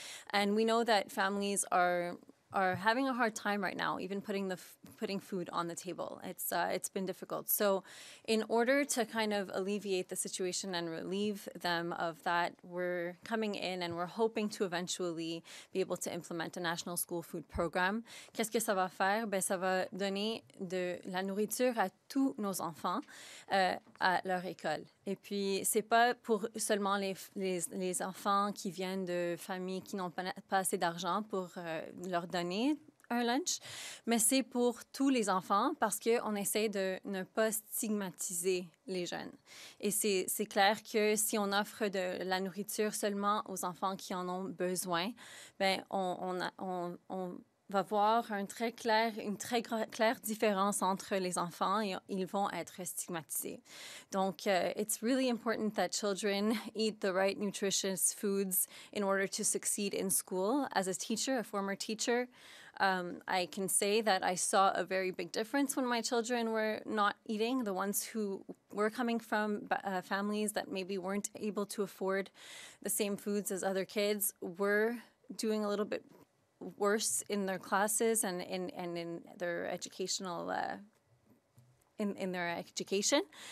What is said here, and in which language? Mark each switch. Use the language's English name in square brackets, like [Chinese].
[English] And we know that families are having a hard time right now, even putting food on the table. It's been difficult. So in order to kind of alleviate the situation and relieve them of that, we're coming in and we're hoping to eventually be able to implement a national school food program. [French] Qu'est-ce que ça va faire? Ben, ça va donner de la nourriture à tous nos enfants à leur école. Et puis, c'est pas pour seulement les enfants qui viennent de familles qui n'ont pas assez d'argent pour leur donner un lunch, mais c'est pour tous les enfants parce qu'on essaie de ne pas stigmatiser les jeunes. Et c'est clair que si on offre de la nourriture seulement aux enfants qui en ont besoin, ben on va voir une très claire différence entre les enfants et ils vont être stigmatisés. [English] Donc, it's really important that children eat the right nutritious foods in order to succeed in school. As a teacher, a former teacher, I can say that I saw a very big difference when my children were not eating, the ones who were coming from families that maybe weren't able to afford the same foods as other kids were doing a little bit worse in their classes and in their education.